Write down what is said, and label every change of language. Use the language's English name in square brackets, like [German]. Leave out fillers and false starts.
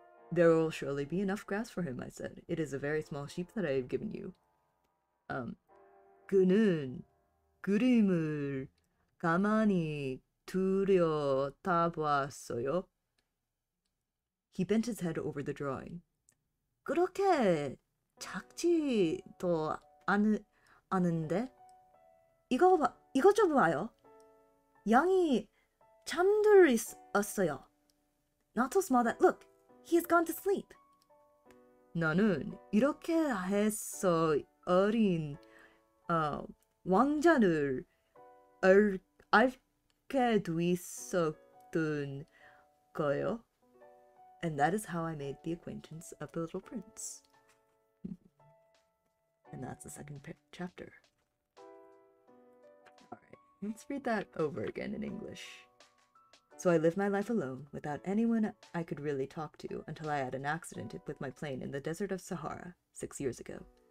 [English] There will surely be enough grass for him, I said. It is a very small sheep that I have given you. [Korean] 그는 그림을 가만히 들여다보았어요. [English] He bent his head over the drawing. [Korean] 그렇게 작지도 않은데? 이거 좀 봐요. 양이 잠들었어요. [English] Not so small that, look, he has gone to sleep. [Korean] 나는 이렇게 해서 어린 왕자를 알게 되었던 거예요. [English] And that is how I made the acquaintance of the little prince. And that's the second chapter. Alright, let's read that over again in English. So I lived my life alone, without anyone I could really talk to, until I had an accident with my plane in the desert of Sahara 6 years ago.